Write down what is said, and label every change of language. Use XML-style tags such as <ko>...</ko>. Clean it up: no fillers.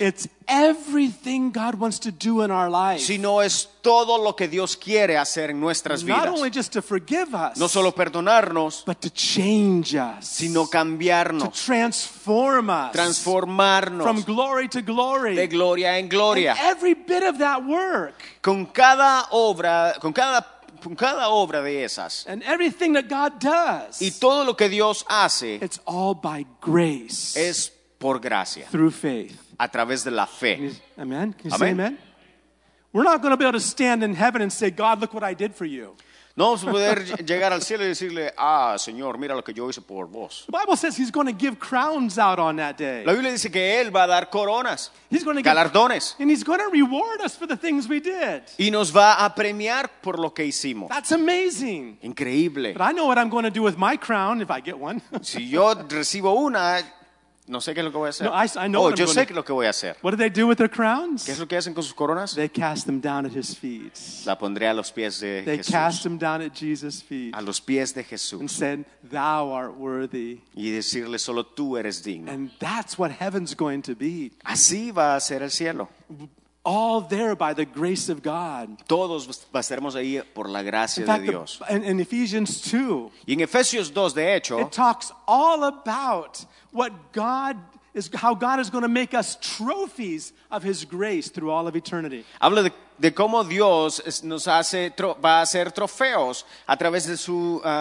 <en>It's everything God wants to do in our lives.</en> <es>Sino es todo lo que Dios quiere hacer en nuestras vidas.</es> <en>Not only just to forgive us,</en> <es>no solo perdonarnos,</es> <en>but to change us,</en> <es>sino cambiarnos,</es> <en>to transform us,</en> <es>transformarnos,</es> <en>from glory to glory,</en> <es>de gloria en gloria.</es> <en>And every bit of that work,</en> <es>con cada obra de esas.</es> <en>And everything that God does,</en> <es>y todo lo que Dios hace,</es> <en>it's all by grace,</en> <es>es por gracia,</es> <en>through faith,</en> <es>a través de la fe.</es> <en>Amen. Can you say amen? We're not going to be able to stand in heaven and say, God, look what I did for you.</en> <es>No vamos a poder llegar al cielo y decirle, ah, Señor, mira lo que yo hice por vos.</es> <en>The Bible says he's going to give crowns out on that day.</en> <es>La Biblia dice que él va a dar coronas,</es> <en>he's going to</en> <es>galardones.</es> <en>And he's going to reward us for the things we did.</en> <es>Y nos va a premiar por lo que hicimos.</es> <en>That's amazing.</en> <es>Increíble.</es> <en>But I know what I'm going to do with my crown if I get one.</en> <es>Si yo recibo una, no sé qué es lo que voy a hacer.</es> <en>No, I know</en> <es>yo sé qué es lo que voy a hacer.</es> <en>What do they do with their crowns?</en> <es>¿Qué es lo que hacen con sus coronas?</es> <en>They cast them down at his feet.</en> <es>La pondré a los pies de</es> <en>they</en> <es>Jesús.</es> <en>Cast them down at Jesus' feet.</en> <es>A los pies de Jesús.</es> <en>And said, thou art worthy.</en> <es>Y decirle, solo tú eres digno.</es> <en>And that's what heaven's going to be.</en> <es>Así va a ser el cielo.</es> <en>All there by the grace of God.</en> <es>Todos estaremos ahí por la gracia</es> <en>fact,</en> <es>de Dios.</es> <en>In Ephesians 2.</en> <es>Y en Efesios 2, de hecho,</es> <en>it talks all about what God is, how God is going to make us trophies of His grace through all of eternity.</en> <es>Habla de cómo Dios nos hace va a hacer trofeos a través de su</es>